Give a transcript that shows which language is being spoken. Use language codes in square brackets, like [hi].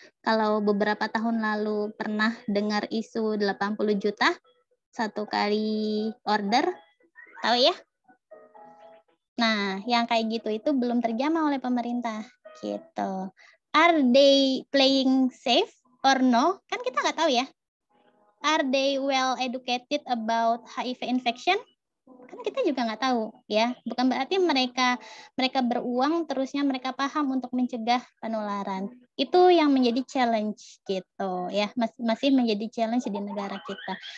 [id] Kalau beberapa tahun lalu pernah dengar isu 80 juta satu kali order, tahu ya? Nah, yang kayak gitu itu belum terjamah oleh pemerintah. Gitu. [en] Are they playing safe or no? [id] Kan kita nggak tahu ya. [en] Are they well educated about HIV infection? [id] Kan kita juga nggak tahu ya. Bukan berarti mereka beruang terusnya mereka paham untuk mencegah penularan. Itu yang menjadi challenge gitu ya. Masih menjadi challenge di negara kita.